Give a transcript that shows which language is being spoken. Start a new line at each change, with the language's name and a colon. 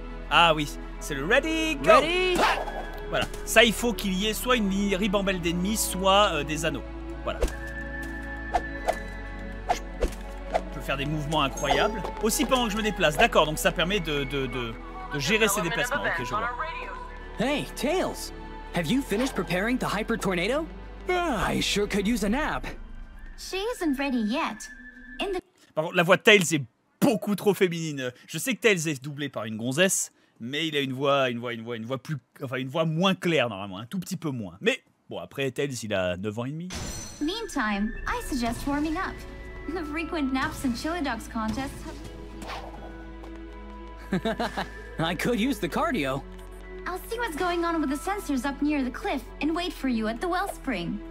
French: Ah oui, c'est le
English: ready, go. Ready.
French: Voilà, ça il faut qu'il y ait soit une ribambelle d'ennemis, soit des anneaux. Voilà. Je peux faire des mouvements incroyables. Aussi pendant que je me déplace, d'accord, donc ça permet de gérer ses déplacements. Ok, je vois.
English: Hey, Tails, have you finished preparing the Hyper Tornado? I sure could use a nap. She isn't ready yet. In the...
French: Par contre, la voix de Tails est beaucoup trop féminine. Je sais que Tails est doublé par une gonzesse, mais il a une voix plus, enfin une voix moins claire normalement, un tout petit peu moins. Mais bon, après Tails, il a 9 ans et demi.
English: Meantime, I suggest warming up. The frequent naps and chili dogs contests. I could use the cardio. I'll see what's going on with the sensors up near the cliff and wait for you at the wellspring.